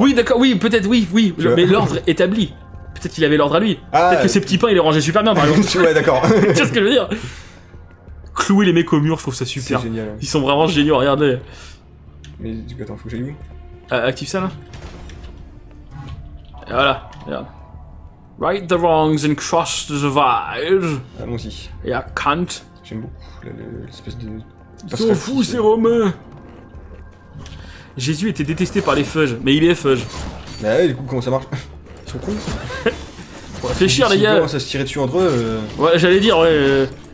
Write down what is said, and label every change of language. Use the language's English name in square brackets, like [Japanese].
[French] Oui, d'accord, oui, peut-être, oui, oui, le, mais l'ordre établi. Peut-être qu'il avait l'ordre à lui. Ah, peut-être que ses petits pains, il les rangeait super bien, par exemple. Ouais, d'accord. Tu vois ce que je veux dire? Clouer les mecs au mur, je trouve ça super. C'est génial. Ils sont vraiment géniaux, regardez. Mais du coup, attends, faut que j'aille où? Active ça là. Et voilà, regarde. [English] Right the wrongs and cross the divide. [French] Allons-y. Et à Kant. J'aime beaucoup l'espèce de... Ils sont fous, ces Romains. Jésus était détesté par les feuges, mais il est feuge. Bah ouais, du coup, comment ça marche? Ils sont cons. Bon, fait chier, les gars. Ils commencent à se tirer dessus entre eux. Ouais, j'allais dire, ouais.